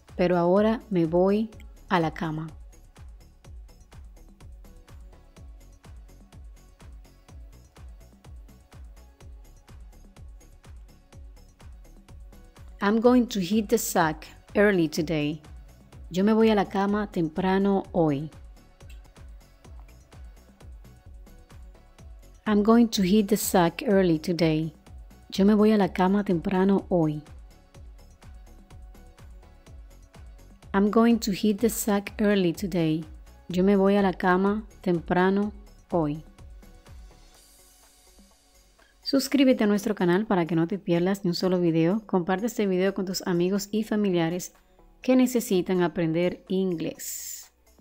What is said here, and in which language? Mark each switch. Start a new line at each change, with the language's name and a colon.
Spanish: Pero ahora me voy a la cama.
English: I'm going to hit the sack early today.
Spanish: Yo me voy a la cama temprano hoy.
English: I'm going to hit the sack early today.
Spanish: Yo me voy a la cama temprano hoy.
English: I'm going to hit the sack early today.
Spanish: Yo me voy a la cama temprano hoy. Suscríbete a nuestro canal para que no te pierdas ni un solo video. Comparte este video con tus amigos y familiares que necesitan aprender inglés.